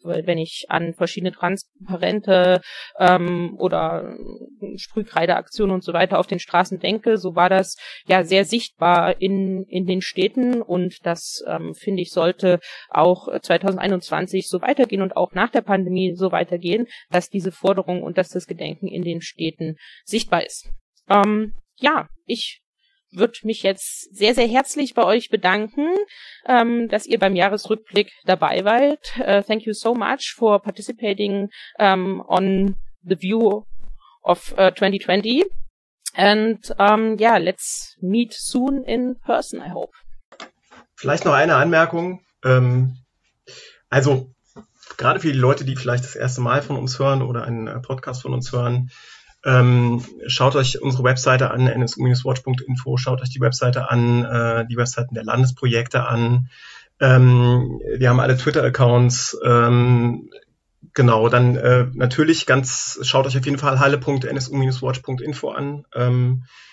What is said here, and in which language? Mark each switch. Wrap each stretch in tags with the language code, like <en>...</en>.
<de>Weil wenn ich an verschiedene Transparente oder Sprühkreideaktionen und so weiter auf den Straßen denke, so war das ja sehr sichtbar in den Städten, und das finde ich, sollte auch 2021 so weitergehen und auch nach der Pandemie so weitergehen, dass diese Forderung und dass das Gedenken in den Städten sichtbar ist. Ich würde mich jetzt sehr, sehr herzlich bei euch bedanken, dass ihr beim Jahresrückblick dabei wart.</de> <en>Thank you so much for participating on the view of 2020. And yeah, let's meet soon in person, I hope.</en> <de>Vielleicht noch eine Anmerkung. Also gerade für die Leute, die vielleicht das erste Mal von uns hören oder einen Podcast von uns hören, schaut euch unsere Webseite an, nsu-watch.info, schaut euch die Webseite an, die Webseiten der Landesprojekte an. Wir haben alle Twitter-Accounts. Genau, dann natürlich ganz, schaut euch auf jeden Fall halle.nsu-watch.info an.</de>